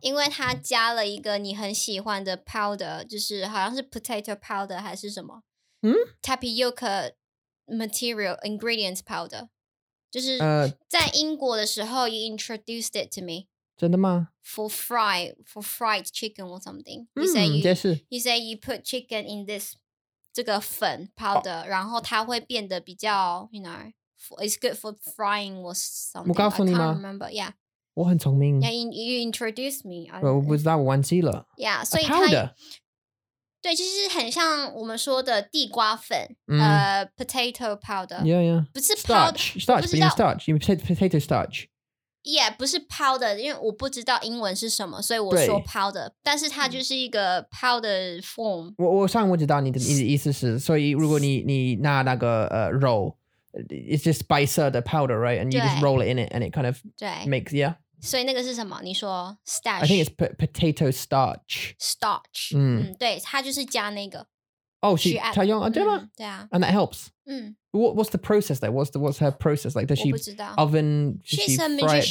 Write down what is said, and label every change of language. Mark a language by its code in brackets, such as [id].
[zh] 因为它加了一个你很喜欢的 powder， 就是好像是 [en] potato powder [zh] 还是什么？ [en] Tapioca material ingredients powder， [zh] 就是在英国的时候 [en] you introduced it to me。 [zh] 真的吗 [en] ？For fried chicken or something. You say you put chicken in this [zh] 这个粉 [en] powder，、 [zh] 然后它会变得比较 [en] you know it's good for frying or something. [zh] 我告诉你吗? [en] I can't remember. Yeah. [zh] 我很聪明. [en] Yeah, you introduced me. Well, was that [zh] 忘记了? [en] Yeah. So powder. [zh] 对，就是很像我们说的地瓜粉， [en] potato powder. Yeah, yeah. [zh] 不是 [en] starch. You said potato starch. [zh] Yeah, 不是 powder, 因为我不知道英文是什么, 所以我说 powder, 但是它就是一个 powder form. 我上面知道你的意思是, 所以如果你拿那个 roll, [en] it's just [zh] 白色的 powder, right? [en] And you just roll it in it, and it kind of makes, yeah. [zh] 所以那个是什么?你说 starch. [en] I think it's potato starch. [zh] Starch. 对,它就是加那个。 [en] Oh, she [zh] 她用, 对吗? 对啊。 [en] And that helps. What's the process though? What's her process? Like, does she oven? Does she fry it?